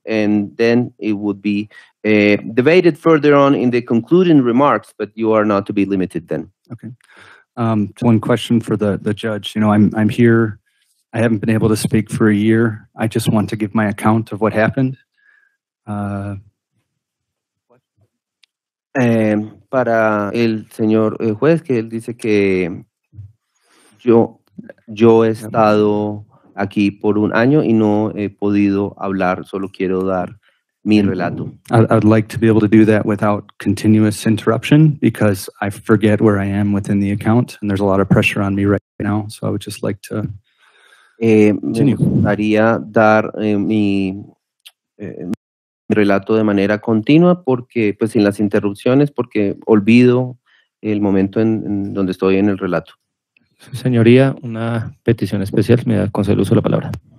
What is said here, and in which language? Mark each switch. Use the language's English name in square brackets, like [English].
[English] And then it would be debated further on in the concluding remarks, but you are not to be limited then. Okay. One question for the judge. You know, I'm here. I haven't been able to speak for a year. I just want to give my account of what happened. [Spanish] Para el señor juez, que él dice que yo he estado aquí por un año y no he podido hablar. Solo quiero dar mi relato. [English] I'd like to be able to do that without continuous interruption because I forget where I am within the account and there's a lot of pressure on me right now. So I would just like to continue. [Spanish] Me gustaría dar mi relato de manera continua porque, pues sin las interrupciones, porque olvido el momento en donde estoy en el relato. Señoría, una petición especial, me da con el uso de la palabra.